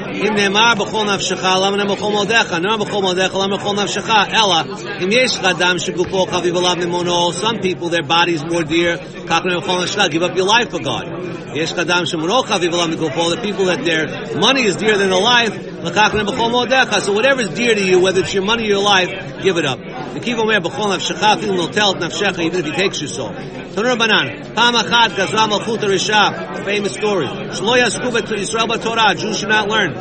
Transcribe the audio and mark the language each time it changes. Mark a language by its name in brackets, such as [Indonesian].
[Hebrew] אם נאמר בכל נפשך, למה נאמר בכל מודך? נאמר בכל מודך, למה בכל נפשך? אלא, אם יש לך אדם שגופו חביב עליו ממונו, [English] some people, their body is more dear, [Hebrew] כך נאמר בכל נפשך, [English] give up your life for God. [Hebrew] יש לך אדם שמונו חביב עליו מגופו, [English] the people that their money is dear than their life, [Hebrew] לכך נאמר בכל מודך. [English] So whatever is dear to you, whether it's your money or your life, give it up. [Hebrew] וכיב אומר בכל נפשך, אפילו נוטל את נפשך, [English] even if he takes your soul. [Hebrew] תנו רבנן, פעם אחת גזרה מלכות הרשעה, [English] famous story, [Hebrew] שלא יעסקו בישראל בתורה, [English] Jews should not learn.